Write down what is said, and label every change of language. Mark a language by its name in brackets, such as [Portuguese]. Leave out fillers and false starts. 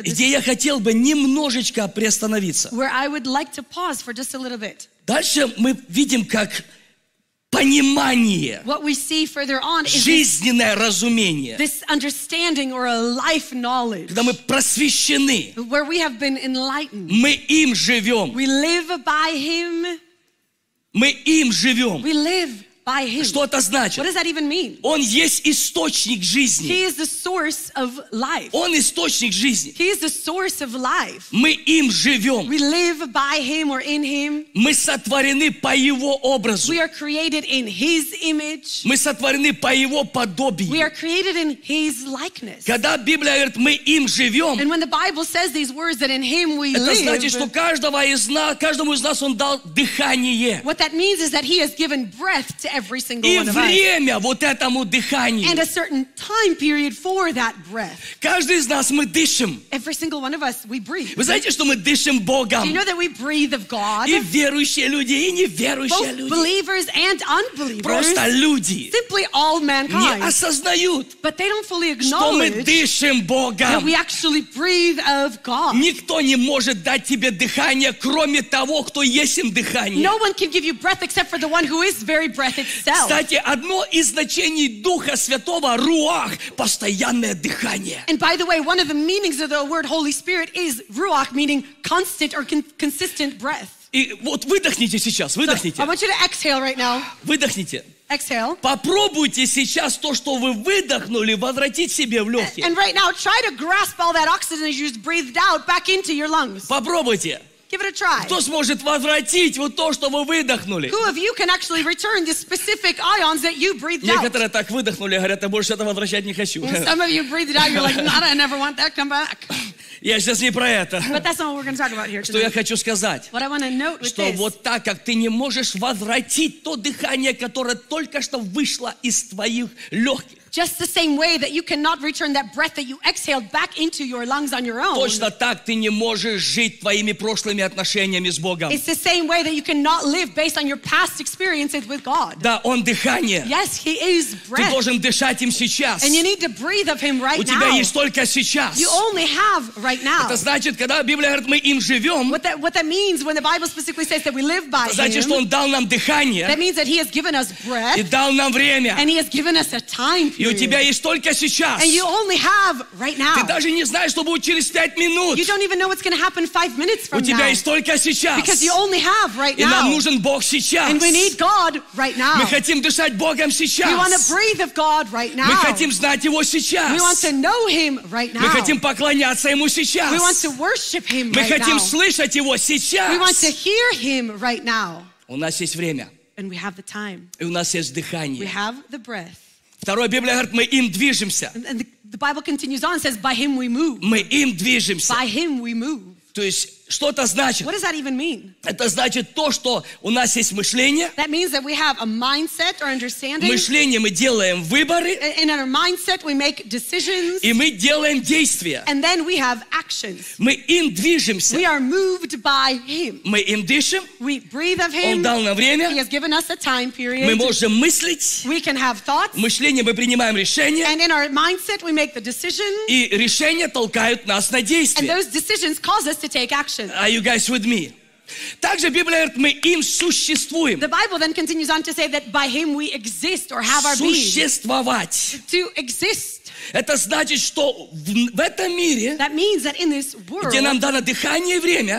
[Russian] Где я хотел бы немножечко приостановиться. [English] Where I would like to pause for just a little bit. [Russian] Дальше мы видим, как понимание. [English] What we see further on is [Russian] жизненное разумение. [English] This understanding or a life knowledge. [Russian] Когда мы просвещены. [English] Where we have been enlightened. [Russian] Мы им живем. [English] We live by him. [Russian] Мы им живем. [English] We live by him. [Russian] Что это значит? [English] What does that even mean? [Russian] Он есть источник жизни. [English] He is the source of life. [Russian] Он источник жизни. [English] He is the source of life. [Russian] Мы им живем. [English] We live by him or in him. [Russian] Мы сотворены по его образу. [English] We are created in his image. [Russian] Мы сотворены по его подобию. [English] We are created in his likeness. [Russian] Когда Библия говорит, мы им живем, [English] and when the Bible says these words that in him we [Russian] это [English] live, [Russian] это значит, что каждому из нас он дал дыхание. [English] What that means is that he has given breath to every single [Russian] и [English] one of [Russian] время [English] us. [Russian] Вот этому дыханию. [English] And a certain time period for that breath. [Russian] Каждый из нас мы дышим. [English] Every single one of us, we breathe. [Russian] Вы знаете, что мы дышим Богом? [English] Do you know that we breathe of God? [Russian] И верующие люди, и неверующие [English] both [Russian] люди. [English] Both believers and unbelievers. [Russian] Просто люди. [English] Simply all mankind. [Russian] Не осознают. [English] But they don't fully acknowledge. [Russian] Что мы дышим Богом. [English] That we actually breathe of God. [Russian] Никто не может дать тебе дыхание, кроме того, кто есть им дыхание. [English] No one can give you breath except for the one who is very breath. itself. [Russian] Кстати, одно из значений Духа Святого – руах, постоянное дыхание. [English] And by the way, one of the meanings of the word Holy Spirit is руах, meaning constant or consistent breath. [Russian] И вот выдохните сейчас, выдохните. [English] So, I want you to exhale right now. [Russian] Выдохните. [English] Exhale. [Russian] Попробуйте сейчас то, что вы выдохнули, возвратить себе в легкие. [English] And right now, try to grasp all that oxygen you just breathed out back into your lungs. [Russian] Попробуйте. [English] Give it a try. [Russian] Кто сможет возвратить вот то, что вы выдохнули? [English] Who of you can actually return the specific ions that you breathed out? [Russian] Некоторые так выдохнули, говорят, я больше это возвращать не хочу. [English] Some of you breathed out, you're like, not, I never want that, come back. [Russian] Я сейчас не про это. [English] But that's not what we're going to talk about here. [Russian] Что я хочу сказать? [English] What I want to note with this. [Russian] Что вот так, как ты не можешь возвратить то дыхание, которое только что вышло из твоих легких. [English] Just the same way that you cannot return that breath that you exhaled back into your lungs on your own. [Russian] Точно так ты не можешь жить твоими прошлыми отношениями с Богом. [English] It's the same way that you cannot live based on your past experiences with God. [Russian] Да, он дыхание. [English] Yes, he is breath. [Russian] Ты должен дышать им сейчас. [English] And you need to breathe of him right now. [Russian] У тебя [English] now. [Russian] Есть только сейчас. [English] You only have right now. [Russian] Это значит, когда Библия говорит, мы им живем. [English] What that means when the Bible specifically says that we live by [Russian] значит, Значит, что он дал нам дыхание. [English] That means that he has given us breath. [Russian] И дал нам время. [English] And he has given us a time. [Russian] И у тебя есть только сейчас. [English] And you only have right now. [Russian] Ты даже не знаешь, что будет через 5 минут. [English] You don't even know what's going to happen 5 minutes from now. [Russian] У тебя [English] now. [Russian] Есть только сейчас. [English] Because you only have right [Russian] и И нам нужен Бог сейчас. [English] And we need God right now. [Russian] Мы хотим дышать Богом сейчас. [English] We want to breathe of God right now. [Russian] Мы хотим знать Его сейчас. [English] We want to know Him right now. [Russian] Мы хотим поклоняться Ему сейчас. [English] We want to worship Him [Russian] мы [English] right [Russian] хотим [English] now. [Russian] Слышать Его сейчас. [English] We want to hear Him right now. [Russian] У нас есть время. [English] And we have the time. [Russian] И у нас есть дыхание. [English] We have the breath. [Russian] Второе, Библия говорит, мы им движемся. [English] And the Bible continues on, says, by him we move. [Russian] Мы им движемся. [English] By him we move. [Russian] То есть, что это значит? [English] What does that even mean? [Russian] Это значит то, что у нас есть мышление. [English] That means that we have a mindset or understanding. [Russian] Мышление, мы делаем выборы. [English] In our mindset, we make decisions. [Russian] И мы делаем действия. [English] And then we have actions. [Russian] Мы им движемся. [English] We are moved by him. [Russian] Мы им дышим. [English] We breathe of him. [Russian] Он дал нам время. [English] He has given us a time period. [Russian] Мы можем мыслить. [English] We can have thoughts. [Russian] Мышление, мы принимаем решения. [English] And in our mindset, we make the decisions. [Russian] И решения толкают нас на действие. [English] And those decisions cause us to take action. Are you guys with me? [Russian] Также Библия говорит, мы им существуем. [English] The Bible then continues on to say that by him we exist or have our being. [Russian] Существовать. [English] To exist. [Russian] Это значит, что в этом мире, [English] that means that in this world, [Russian] где нам дано дыхание и время,